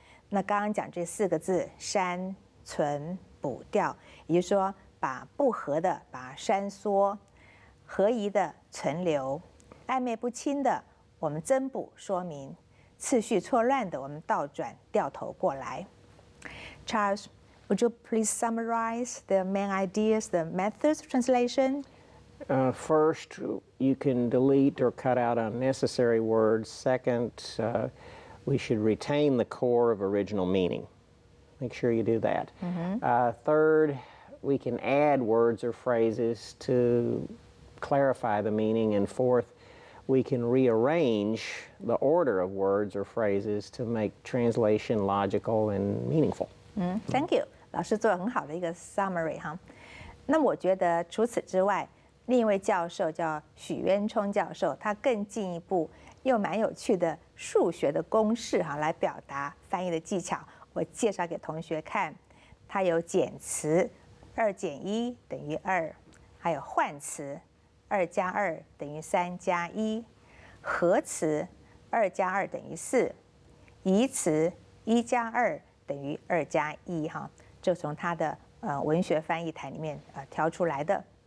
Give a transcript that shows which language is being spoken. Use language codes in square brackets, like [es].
[zh] 那刚刚讲这四个字删存补调，也就是说把不合的把它删缩，合宜的存留，暧昧不清的我们增补说明，次序错乱的我们倒转掉头过来。 [en] Charles, would you please summarize the main ideas, the methods of translation? First, you can delete or cut out unnecessary words. Second, we should retain the core of original meaning. Make sure you do that. Mm-hmm. Third, we can add words or phrases to clarify the meaning. And fourth, we can rearrange the order of words or phrases to make translation logical and meaningful. Mm-hmm. Thank you. [zh] 老师做了很好的一个 summary, 哈。那我觉得除此之外另一位教授叫许渊冲教授，他更进一步用蛮有趣的数学的公式哈来表达翻译的技巧。我介绍给同学看，他有减词，二减一等于二，还有换词，二加二等于三加一，合词，二加二等于四，移词，一加二等于二加一哈，就从他的文学翻译台里面挑出来的。